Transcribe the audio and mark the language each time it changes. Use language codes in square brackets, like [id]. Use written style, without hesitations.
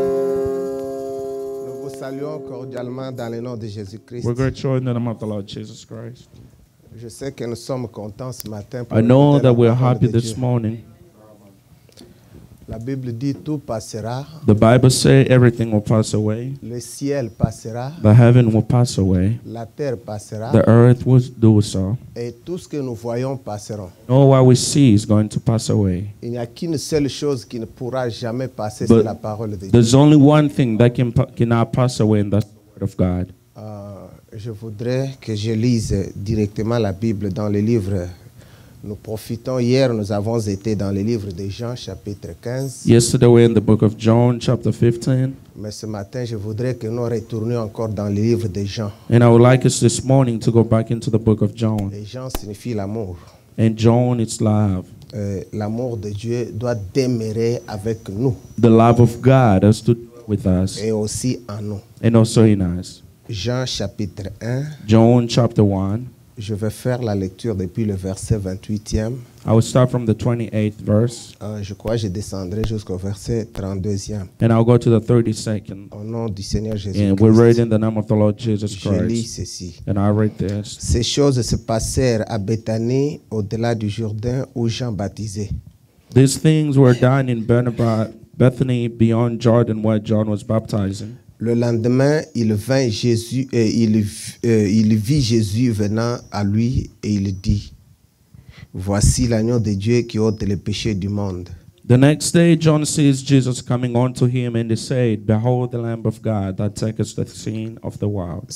[fr] bénissons cordialement dans le nom de Jésus-Christ. [en] We greet you in the name of the Lord Jesus Christ. [fr] Je sais que nous sommes contents ce matin. [en] I know that we are happy this morning. [fr] La Bible dit tout passera. [en] The Bible says everything will pass away. [fr] Le ciel passera. [en] The heaven will pass away. [fr] La terre passera. [en] The earth will do so. [fr] Et tout ce que nous voyons passera. [en] All what we see is going to pass away. [fr] Il n'y a qu'une seule chose qui ne pourra jamais passer, c'est la parole de Dieu. [en] There's only one thing that cannot pass away, and that's the word of God. [fr] Je voudrais que je lise directement la Bible dans le livre. Nous profitons, hier nous avons été dans le livre de Jean, chapitre 15. [en] Yesterday we're in the book of John, chapter 15. [fr] Mais ce matin, je voudrais que nous retournions encore dans le livre de Jean. [en] And I would like us this morning to go back into the book of John. [fr] Et Jean signifie l'amour. [en] And John, it's love. [fr] L'amour de Dieu doit demeurer avec nous. [en] The love of God has to do with us. [fr] Et aussi en nous. [en] And also in us. [fr] Jean, chapitre 1. [en] John, chapter 1. [fr] Je vais faire la lecture depuis le verset 28e. [en] I will start from the 28th verse. [fr] Je crois que je descendrai jusqu'au verset 32e. [en] And I'll go to the 32nd. [fr] Au nom du Seigneur Jésus [en] Christ. And we read in the name of the Lord Jesus Christ. [fr] Je lis ceci. [en] And I read this. [fr] Ces choses se passèrent à Béthanie, au-delà du Jourdain, où Jean baptisait. [en] These things were done in Bethany, beyond Jordan, where John was baptizing. [fr] Le lendemain, il vint Jésus et il vit Jésus venant à lui et il dit: voici l'agneau de Dieu qui ôte les péchés du monde. [en] The next day John sees Jesus coming unto him and he said, behold the Lamb of God that takes the sin of the world.